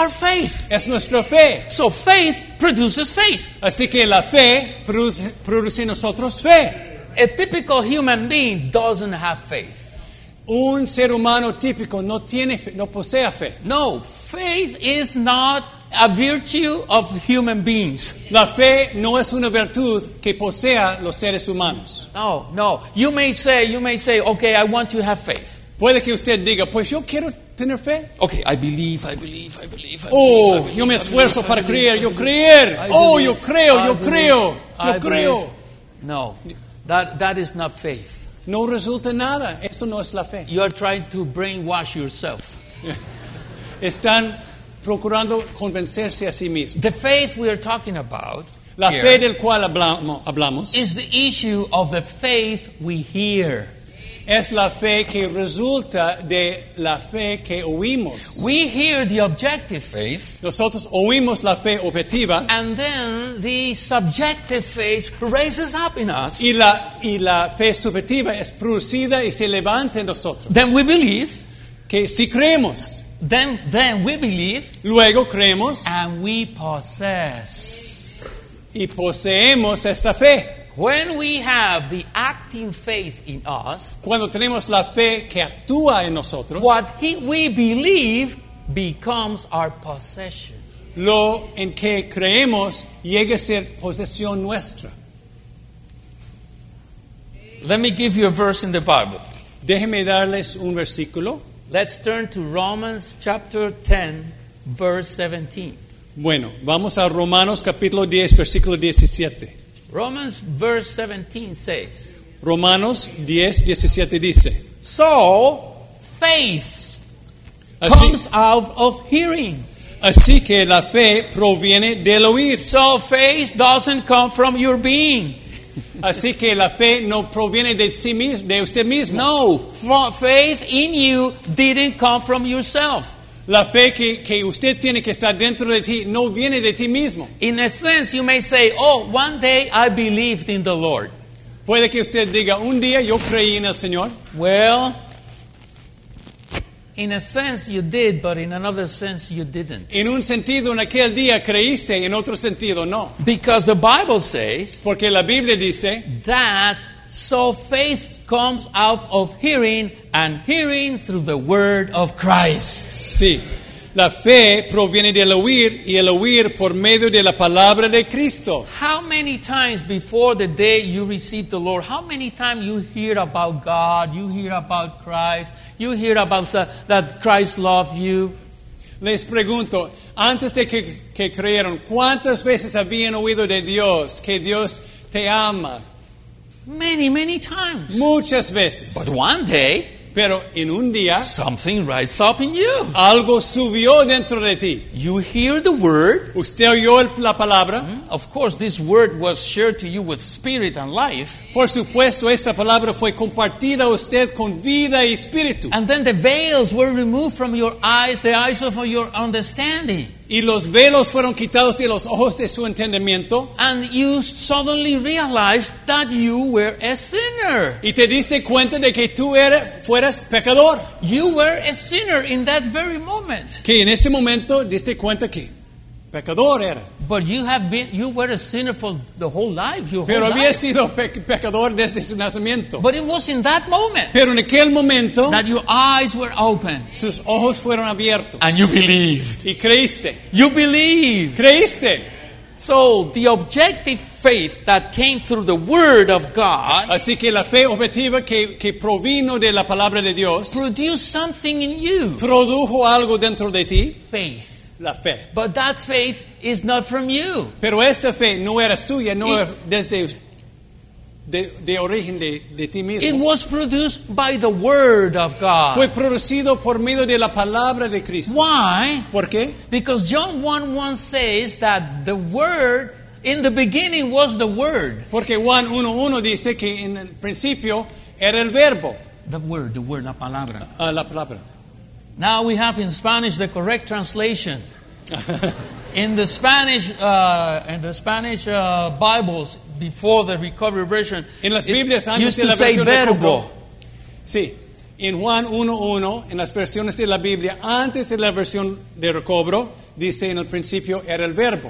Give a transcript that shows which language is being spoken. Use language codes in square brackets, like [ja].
[en] Our faith. [es] Es nuestra fe. [en] So faith produces faith. [es] Así que la fe produce en nosotros fe. [en] A typical human being doesn't have faith. [es] Un ser humano típico no tiene fe, no posee fe. [en] No, faith is not a virtue of human beings. [es] La fe no es una virtud que posea los seres humanos. [en] No. You may say, okay, I want to have faith. [es] Puede que usted diga, pues yo quiero tener fe. [en] Okay, I believe. Oh, believe, [es] yo me esfuerzo [en] believe, [es] para believe, creer, yo creo. [en] No. That is not faith. [es] No resulta nada. Eso no es la fe. [en] You are trying to brainwash yourself. [es] Están procurando convencerse a sí mismos. [en] The faith we are talking about, [es] la fe del cual hablamos, [en] is the issue of the faith we hear. [es] Es la fe que resulta de la fe que oímos. [en] We hear the objective faith. [es] Nosotros oímos la fe objetiva. [en] And then the subjective faith raises up in us. [es] Y la fe subjetiva es producida y se levanta en nosotros. [en] Then we believe. [es] Que si creemos. [en] Then we believe. [es] Luego creemos. [en] And we possess. [es] Y poseemos esta fe. [en] When we have the acting faith in us, [es] cuando tenemos la fe que actúa en nosotros, [en] what we believe becomes our possession. [es] Lo en que creemos llega a ser posesión nuestra. [en] Let me give you a verse in the Bible. [es] Déjeme darles un versículo. [en] Let's turn to Romans chapter 10, verse 17. [es] Bueno, vamos a Romanos capítulo 10, versículo 17. [en] Romans verse 17 says. [es] Romanos 10, 17 dice. [en] So, faith comes out of hearing. [es] Así que la fe proviene del oír. [en] So, faith doesn't come from your being. [es] Así que la fe no proviene de sí mismo, de usted mismo. [en] No, faith in you didn't come from yourself. [es] La fe que usted tiene que estar dentro de ti no viene de ti mismo. [en] In a sense, you may say, oh, one day I believed in the Lord. [es] Puede que usted diga, un día yo creí en el Señor. [en] Well, in a sense you did, but in another sense you didn't. [es] En un sentido, en aquel día creíste, en otro sentido no. [en] Because the Bible says, [es] porque la Biblia dice, [en] that so faith comes out of hearing, and hearing through the word of Christ. [es] Sí, la fe proviene del oír, y el oír por medio de la palabra de Cristo. [en] How many times before the day you received the Lord, how many times you hear about God, you hear about Christ, you hear about that Christ loved you? [es] Les pregunto, antes de que creyeron, ¿cuántas veces habían oído de Dios, que Dios te ama? [en] Many, many times. [es] Muchas veces. [en] But one day, [es] pero en un día, [en] something rises up in you. [es] Algo subió dentro de ti. [en] You hear the word. [es] Usted oyó la palabra. [en] Of course, this word was shared to you with spirit and life. [es] Por supuesto, esta palabra fue compartida a usted con vida y espíritu. [en] And then the veils were removed from your eyes, the eyes of your understanding. [es] Y los velos fueron quitados de los ojos de su entendimiento. [en] And you suddenly realized that you were a sinner. [es] Y te diste cuenta de que tú fueras pecador. [en] You were a sinner in that very moment. [es] Que en ese momento diste cuenta que pecador era. [en] But you were a sinner for the whole life. Your [es] pero [en] whole [es] había [en] life. [es] Sido pecador desde su nacimiento. [en] But it was in that moment. [es] Pero en aquel momento. [en] That your eyes were open. [es] Sus ojos fueron abiertos. [en] And you believed. [es] Y creíste. [en] You believed. [es] Creíste. [en] So the objective faith that came through the word of God. [es] Así que la fe objetiva que provino de la palabra de Dios. [en] Produced something in you. [es] Produjo algo dentro de ti. [en] Faith. [es] La fe. [en] But that faith is not from you. [es] Pero esta fe no era suya, no era desde de origen de ti mismo. [en] It was produced by the word of God. [es] Fue producido por medio de la palabra de Cristo. [en] Why? [es] ¿Por qué? [en] Because John 1:1 says that the word in the beginning was the word. [es] Porque Juan 1:1 dice que en el principio era el verbo. [en] The word, [es] la palabra. La palabra. [en] Now we have in Spanish the correct translation. In the Spanish Bibles before the Recovery Version, [es] en las Biblias antes [en] used to [es] la [en] say verbo. [es] Sí, en Juan 1:1, en las versiones de la Biblia antes de la versión de recobro, dice en el principio era el verbo.